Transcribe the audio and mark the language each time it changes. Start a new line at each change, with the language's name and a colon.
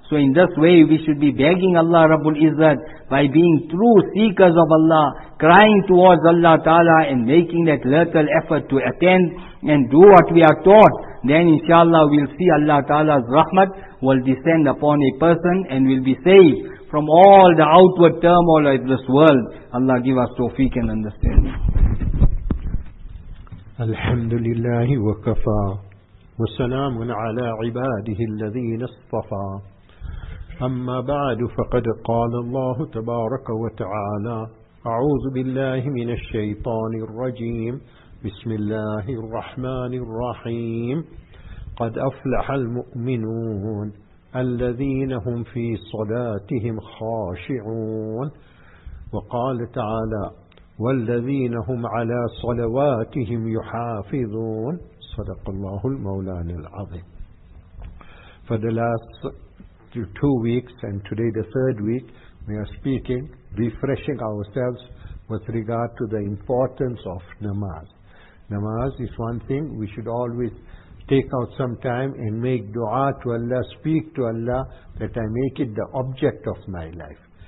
English: So in this way, we should be begging Allah Rabbul Izzat by being true seekers of Allah, crying towards Allah Ta'ala and making that little effort to attend and do what we are taught. Then inshallah, we'll see Allah Ta'ala's rahmat will descend upon a person and will be saved from all the outward turmoil of this world. Allah give us tawfiq and understanding.
Arabic: الحمد لله وكفى وسلام على عباده الذين اصطفى أما بعد فقد قال الله تبارك وتعالى أعوذ بالله من الشيطان الرجيم بسم الله الرحمن الرحيم قد أفلح المؤمنون الذين هم في صلاتهم خاشعون وقال تعالى والذين هم على صلواتهم يحافظون صدق الله المولان العظيم.
English: For the last 2 weeks and today the third week, we are speaking, refreshing ourselves with regard to the importance of namaz. Namaz is one thing, we should always take out some time and make dua to Allah, speak to Allah that I make it the object of my life.